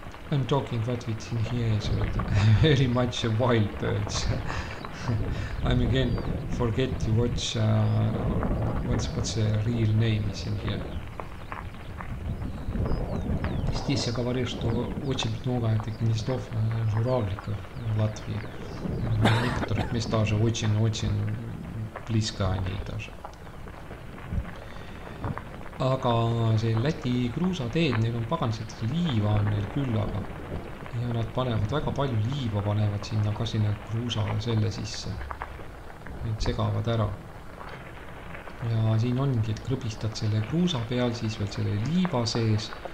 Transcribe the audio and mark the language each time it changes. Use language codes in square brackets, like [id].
[en] I'm talking what it's in here is very much wild birds. I'm again forget to watch what's the real name is in here. [ru] Здесь я говорю, что очень много этих гнездов журавликов в Латвии. В некоторых местах же очень-очень близко они даже. [et] Aga see Läti kruusateed, neil on paganselt liiva on neil küll, aga ja nad panevad väga palju liiva panevad sinna ka sinna kruusa selle sisse. Need segavad ära. Ja siin ongi, et krõbistad selle kruusa peal, siis veel selle liiva sees.